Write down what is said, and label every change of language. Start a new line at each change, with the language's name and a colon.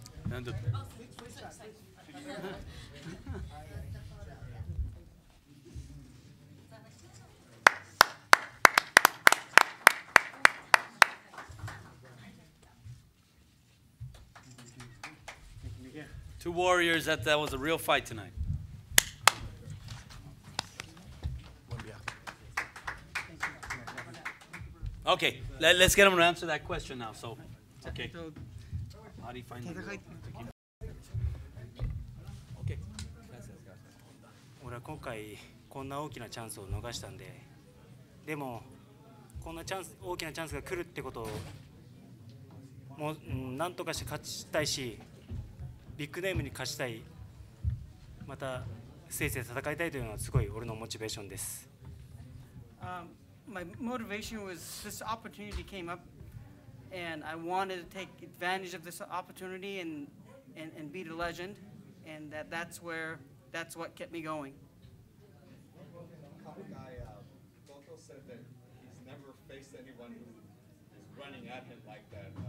English: And the two warriors, that was a real fight tonight. Okay, let's get him to answer that question now. So, okay. How do you find the
Japanese: から今回こんな大きなチャンスを逃したんで、でもこんなチャンス大きなチャンスが来るってことをもう何とかして勝ちたいし、ビッグネームに勝ちたい、またせいぜい戦いたいというのはすごい俺のモチベーションです。
English: My motivation was this opportunity came up and I wanted to take advantage of this opportunity and beat a legend, and that's what kept me going. Kamegai, Goto said that he's never faced anyone who is running at him like that.